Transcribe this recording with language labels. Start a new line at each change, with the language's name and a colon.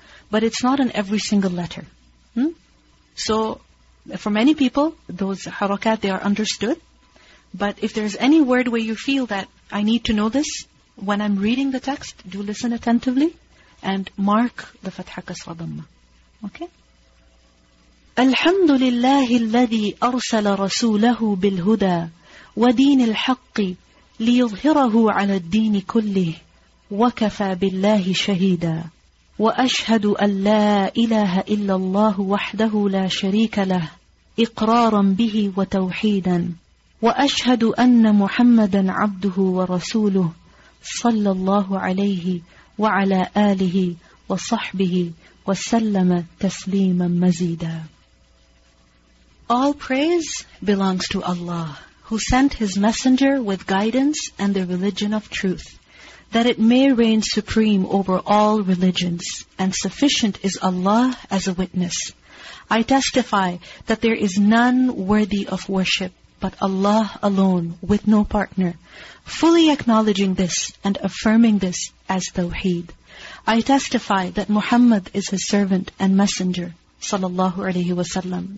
English: But it's not in every single letter. So, for many people, those harakat, they are understood. But if there's any word where you feel that I need to know this, when I'm reading the text, do listen attentively and mark the fatha, kasra, dhamma. Okay?
Arabic: الحمد لله الذي أرسل رسوله بالهدى ودين الحق ليظهره على الدين كله وكفى بالله شهيدا وأشهد أن لا إله إلا الله وحده لا شريك له إقرارا به وتوحيدا وأشهد أن محمدا عبده ورسوله صلى الله عليه وعلى آله وصحبه وسلم تسليما مزيدا
English: All praise belongs to Allah, who sent His Messenger with guidance and the religion of truth, that it may reign supreme over all religions, and sufficient is Allah as a witness. I testify that there is none worthy of worship but Allah alone, with no partner, fully acknowledging this and affirming this as Tawheed. I testify that Muhammad is His servant and messenger, Sallallahu alayhi wa sallam.